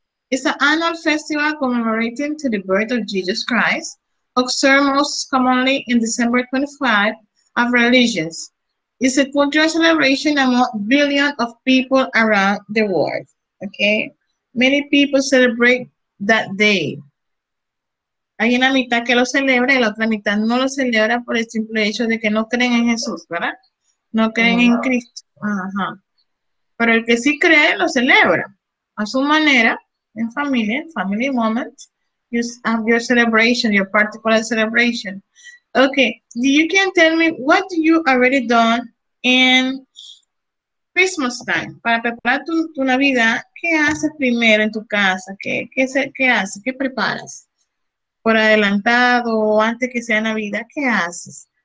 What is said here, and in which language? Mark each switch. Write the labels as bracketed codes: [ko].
[en] It's an annual festival commemorating to the birth of Jesus Christ, observed most commonly in December 25 of religions. It's a cultural celebration among billions of people around the world. Okay? Many people celebrate that day. [es] Hay una mitad que lo celebra y la otra mitad no lo celebra por el simple hecho de que no creen en Jesús, ¿verdad? No creen en Cristo. Pero el que sí cree, lo celebra a su manera. [en] In family, family moment, you have your celebration, your particular celebration. Okay, you can tell me what you already done in Christmas time. [es] Para preparar tu Navidad, ¿qué haces primero en tu casa? ¿Qué haces? ¿Qué preparas? Por adelantado, antes que sea Navidad, ¿qué haces?